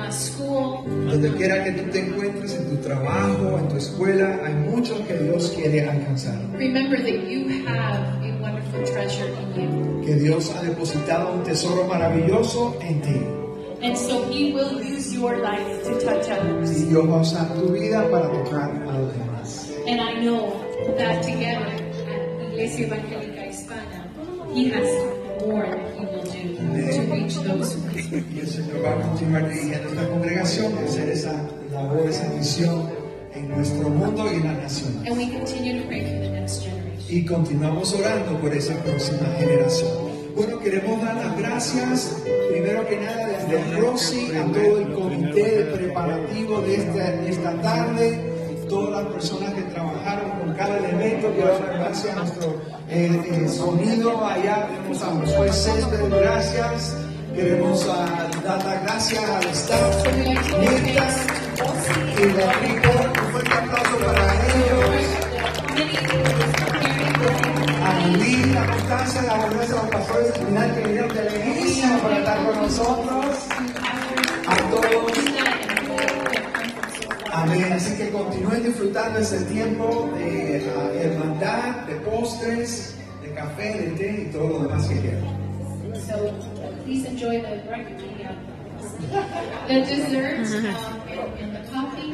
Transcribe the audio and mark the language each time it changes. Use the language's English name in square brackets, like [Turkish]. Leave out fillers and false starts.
[Spanish] Donde quiera que tú te encuentres, en tu trabajo, en tu escuela, hay mucho que Dios quiere alcanzar. [English] Remember that you have a wonderful treasure in you. [Spanish] Que Dios ha depositado un tesoro maravilloso en ti. [English] And so He will use your life to touch others. [Spanish] Y Dios va a usar tu vida para tocar a los demás. [English] And I know that together at Iglesia Evangelica Hispana, He has more than He will do. [Spanish] Y el Señor va a continuar dirigiendo esta congregación a hacer esa labor, esa misión en nuestro mundo y en las naciones. Y continuamos orando por esa próxima generación. Bueno, queremos dar las gracias primero que nada desde Rosy a todo el comité preparativo de esta tarde, todas las personas que trabajaron con cada elemento, que dan gracias a nuestro sonido allá, tenemos a Josué Céspedes, gracias. Queremos dar las gracias al staff, Mirta y Rodrigo, un fuerte aplauso para ellos. A Lili, a Constanza, a los nuestros pastores al final que vinieron de la iglesia para estar con nosotros. A todos. Amén. Así que continúen disfrutando ese tiempo de hermandad, de postres, de café, de té y todo lo demás que quieran. [English] So, please enjoy the desserts and the coffee.